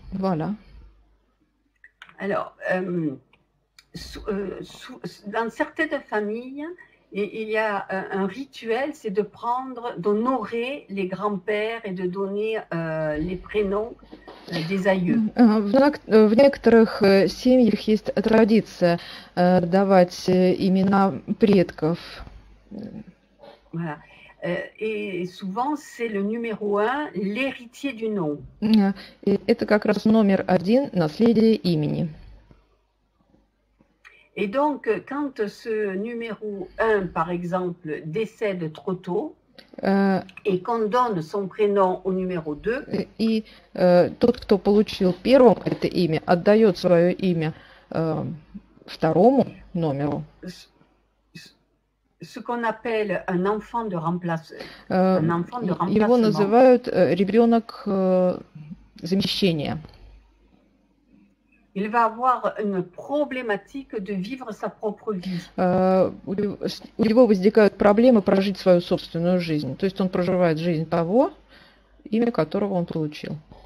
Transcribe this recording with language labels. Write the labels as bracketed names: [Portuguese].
[French] Voilà. Alors, dans certaines familles, il y a un rituel, c'est de prendre, d'honorer les grands-pères et de donner les prénoms des aïeux. [Russian] В некоторых семьях есть традиция давать имена предков. [French] Voilà. Et souvent, c'est le numéro un, l'héritier du nom. [Russian] Это как раз номер один наследие имени. [French] Et donc, quand ce numéro 1, par exemple, décède trop tôt et qu'on donne son prénom au numéro 2, [Russian] И тот, кто получил первым это имя, отдает свое имя второму номеру. [French] ce qu'on appelle un enfant de [Russian] Его [French] remplacement, [Russian] называют ребенок замещения. [French] il va avoir une problématique de vivre sa propre vie. [Russian] У него возникают проблемы прожить свою собственную жизнь. То есть он проживает жизнь того, имя которого он получил.